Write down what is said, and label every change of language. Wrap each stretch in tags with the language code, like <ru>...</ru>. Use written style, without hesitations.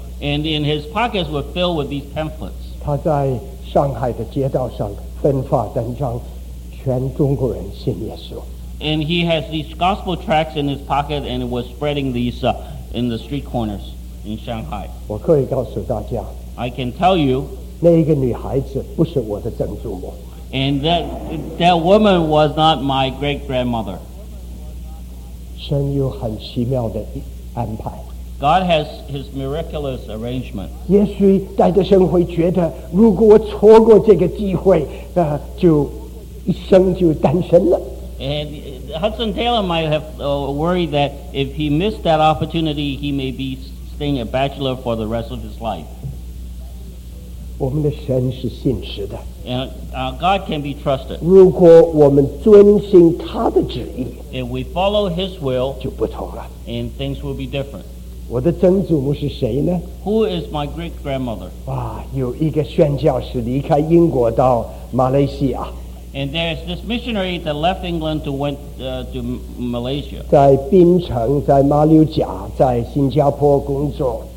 <en>And in his pockets were filled with these pamphlets.</en> <zh>他在上海的街道上分发单张，全中国人信耶稣。</zh> <en>And he has these gospel tracts in his pocket, and was spreading these in the street corners in Shanghai.</en> <zh>我可以告诉大家</zh> <en>，I can tell you，</en> <zh>那一个女孩子不是我的曾祖母。</zh> <en>And that woman was not my great grandmother.</en> <zh>神有很奇妙的安排。</zh> <en>God has His miraculous arrangement.</en> <zh>也许戴德生会觉得，如果我错过这个机会，就一生就单身了。</zh> <en>And Hudson Taylor might have worried that if he missed that opportunity, he may be staying a bachelor for the rest of his life.</en> <zh>我们的神是信实的。</zh> <en>And God can be trusted.</en> <zh>如果我们遵循他的旨意。</zh> <en>And we follow His will,</en> <zh>就不同了。</zh> <en>And things will be different.</en> <zh>我的曾祖母是谁呢？</zh> <en>Who is my great grandmother?</en> <zh>哇，有一个宣教士离开英国到马来西亚。</zh> <en>And there's this missionary that left England to went to Malaysia.</en> <zh>在槟城，在马六甲，在新加坡工作。</zh>